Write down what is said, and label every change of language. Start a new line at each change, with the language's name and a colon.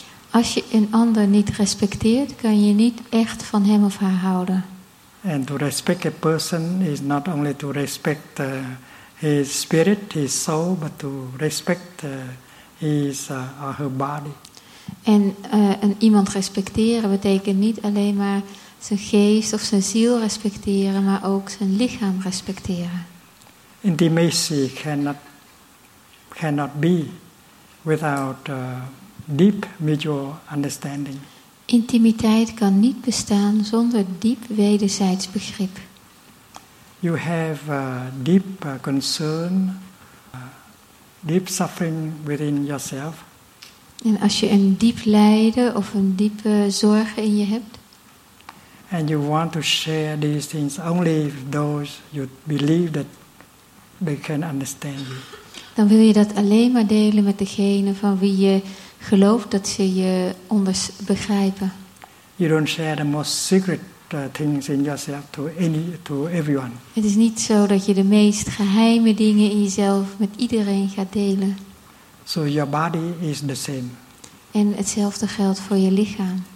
Dutch: Als je een ander niet respecteert, kan je niet echt van hem of haar houden.
English: And to respect a person is not only to respect his spirit, his soul, but to respect his or her body.
Dutch: En een iemand respecteren betekent niet alleen maar zijn geest of zijn ziel respecteren, maar ook zijn lichaam respecteren.
English: Intimacy cannot be without deep mutual understanding.
Dutch: Intimiteit kan niet bestaan zonder diep wederzijds begrip.
English: You have deep concern, deep suffering within yourself.
Dutch: En als je een diep lijden of een diepe zorgen in je hebt.
English: And you want to share these things only with those you believe that they can understand you.
Dutch: Dan wil je dat alleen maar delen met degene van wie je gelooft dat ze je anders begrijpen.
English: You don't share the most secret things in yourself to everyone.
Dutch: Het is niet zo dat je de meest geheime dingen in jezelf met iedereen gaat delen.
English: So your body is the same.
Dutch: En hetzelfde geldt voor je lichaam.